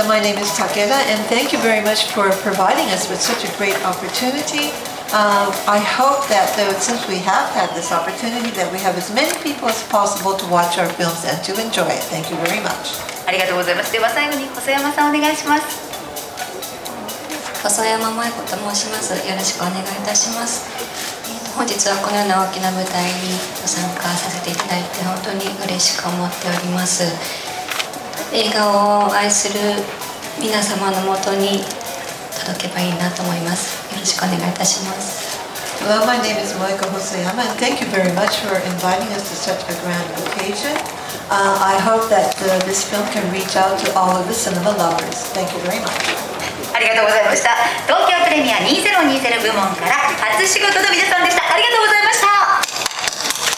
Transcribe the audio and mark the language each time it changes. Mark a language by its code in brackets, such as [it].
[en] So my name is Takeda and thank you very much for providing us with such a great opportunity. I hope that though, since we have had this opportunity, that we have as many people as possible to watch our films and to enjoy it. Thank you very much. [ja] ありがとうございます。では最後に細山さんお願いします。細山萌子と申します。よろしくお願いいたします。本日はこのような大きな舞台に参加させていただいて本当に嬉しく思っております。映画を愛する皆様のもとに届けばいいなと思います。よろしくお願いいたします。 [en] Hello, my name is Moika Hosoyama, and thank you very much for inviting us to such a grand occasion. I hope that this film can reach out to all of the cinema lovers. Thank you very much. [ja] ありがとうございました。東京プレミア2020部門から初仕事の皆さんでした。ありがとうございました。